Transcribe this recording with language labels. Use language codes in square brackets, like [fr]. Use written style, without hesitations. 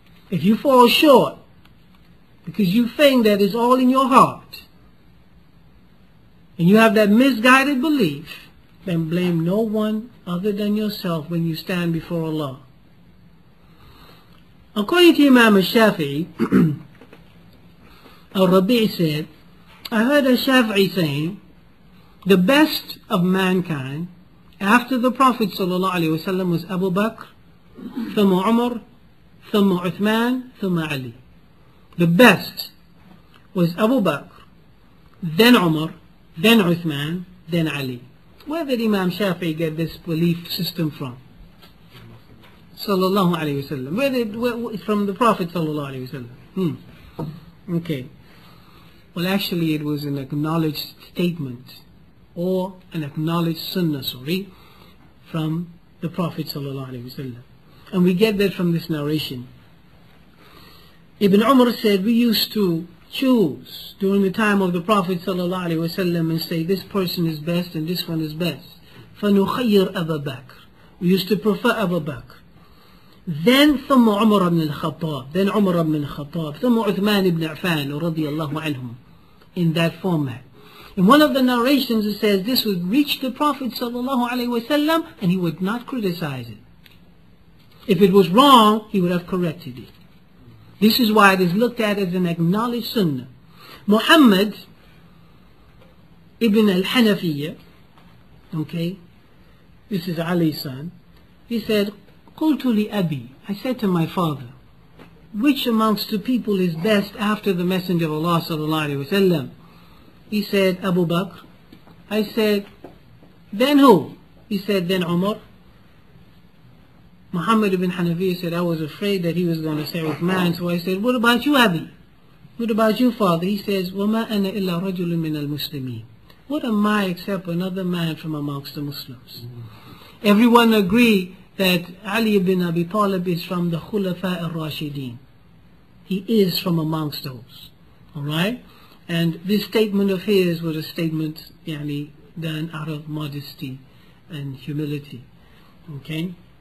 [en] If you fall short, because you think that is all in your heart, and you have that misguided belief, then blame no one other than yourself when you stand before Allah. According to Imam al-Shafi'i, Al-Rabi' said, I heard a Shafi'i saying, the best of mankind After the Prophet [ar] صلى الله عليه وسلم [en] was Abu Bakr, [ar] ثم عمر, ثم عثمان, ثم علي. [en] The best was Abu Bakr, then عمر, then عثمان, then علي. Where did Imam Shafi'i get this belief system from? [ar] صلى الله عليه وسلم. [en] Where did, from the Prophet [ar] صلى الله عليه وسلم. [en] Okay. Well, actually, it was an acknowledged statement or an acknowledged sunnah, sorry, from the Prophet sallallahu alaihi wasallam. And we get that from this narration. Ibn Umar said, we used to choose during the time of the Prophet sallallahu alaihi wasallam and say, this person is best and this one is best. [ar] فَنُخَيِّرْ أَبَا بَكْر. [en] We used to prefer Abu Bakr. [ar] Then ثم عمر بن الخطاب, then عمر بن الخطاب, ثم عثمان بن عفان رضي الله عنهم, [en] in that format. In one of the narrations it says this would reach the Prophet sallallahu alaihi wasallam and he would not criticize it. If it was wrong, he would have corrected it. This is why it is looked at as an acknowledged sunnah. Muhammad ibn al-Hanafiyya, okay, this is Ali's son, he said, [ar] قلت لأبي, [en] I said to my father, which amongst the people is best after the Messenger of Allah sallallahu alayhi wa sallam? He said, Abu Bakr. I said, then who? He said, then Umar. Muhammad ibn Hanafiyya said, I was afraid that he was going to say Uthman, so I said, what about you, Abi? What about you, father? He says, [ar] وَمَا أَنَا إِلَّا رَجُلٌ مِنَ الْمُسْلِمِينَ. [en] What am I except another man from amongst the Muslims? Everyone agree that Ali ibn Abi Talib is from the Khulafa al-Rashideen. He is from amongst those. Alright? And this statement of his was a statement يعني, done out of modesty and humility. Okay?